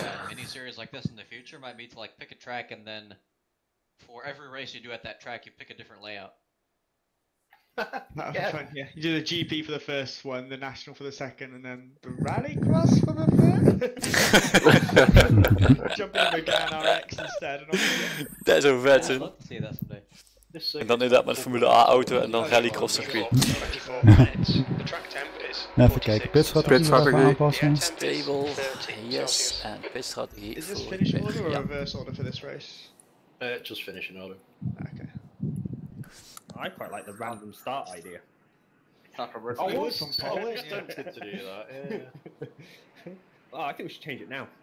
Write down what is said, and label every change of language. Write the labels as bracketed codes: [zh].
[en] Idea for a mini-series like this in the future might be to like pick a track and then for every race you do at that track, you pick a different layout. Yeah. You do the GP for the first one, the national for the second, and then the rally cross for the third. Jump in the GAN RX instead. [nl] Dat is een vet, hè? [en] See that someday. [nl] En dan inderdaad met Formule A auto en dan rallycross circuit. Even kijken, pitstrategie aanpassen. Stable, yes, en pitstrategie. [en] Is this finish order or reverse order for this race? Just finish in order. Okay. I quite like the random start idea. I was tempted to do that, yeah. Oh, I think we should change it now.